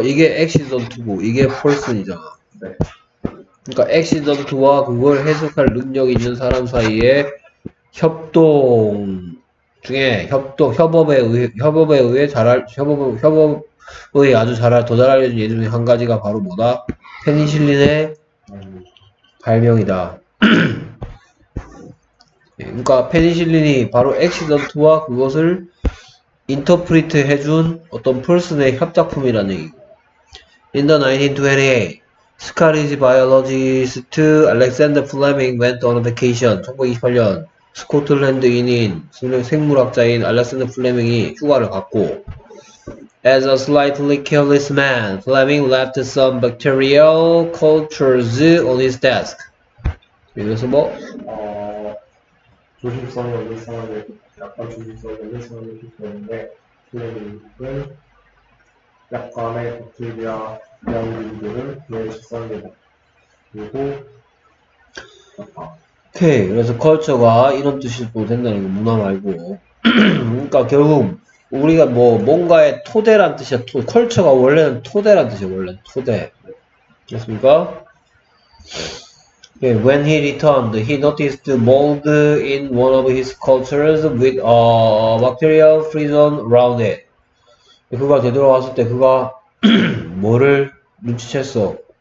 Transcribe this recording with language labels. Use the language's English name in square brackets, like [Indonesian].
[Korean] 이게 액시던트고 이게 펄슨이잖아. 그러니까 액시던트와 그걸 해석할 능력 있는 사람 사이의 협동 중에 협업에 의해 아주 더 잘 알려진 예 중에 한 가지가 바로 뭐다? 페니실린의 발명이다. 그러니까 페니실린이 바로 액시던트와 그것을 인터프리트 해준 어떤 펄슨의 협작품이라는 얘기고. [English] In the 1928, Scottish biologist Alexander Fleming went on a vacation. [Korean] 1928년 스코틀랜드인인 생물학자인 알렉산더 플레밍이 휴가를 갔고. [English] As a slightly careless man, Fleming left some bacterial cultures on his desk. [Korean] 그래서 뭐? 조심성이 없는 사람이 약간 조심성이 없는 사람이 있었는데 플레밍은 약간의 박테리아 양분들을 내주었습니다. 그리고 오케이. 그래서 culture가 이런 뜻으로 된다는 게 문화 말고 그러니까 결국 우리가 뭐 뭔가의 토대란 뜻이야. 컬처가 원래는 토대란 뜻이야. 원래 토대. 됐습니까? Okay. [English] When he returned, he noticed mold in one of his cultures with a bacterial frisson around it. [Korean] 그가 되돌아왔을 때 그가 뭐를 눈치챘어?